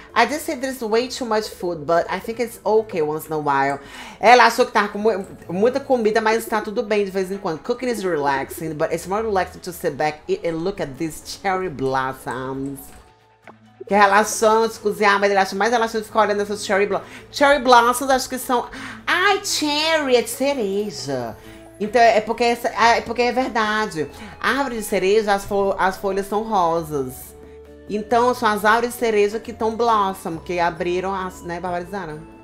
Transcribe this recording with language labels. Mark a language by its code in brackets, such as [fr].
[en] I just said there's way too much food, but I think it's okay once in a while. [pt] Ela achou que tava com muita comida, mas tá tudo bem de vez em quando. [en] Cooking is relaxing, but it's more relaxing to sit back and look at these cherry blossoms. [pt] Que relaxante cozinhar, mas ele acha mais relaxante ficar olhando essas cherry blossoms. Cherry blossoms, acho que são. Ai, cherry, é de cereja. Então é porque é verdade. Árvore de cereja, as folhas são rosas. Então, são as árvores cereja que estão blossom, que abriram as, né, barbarizaram.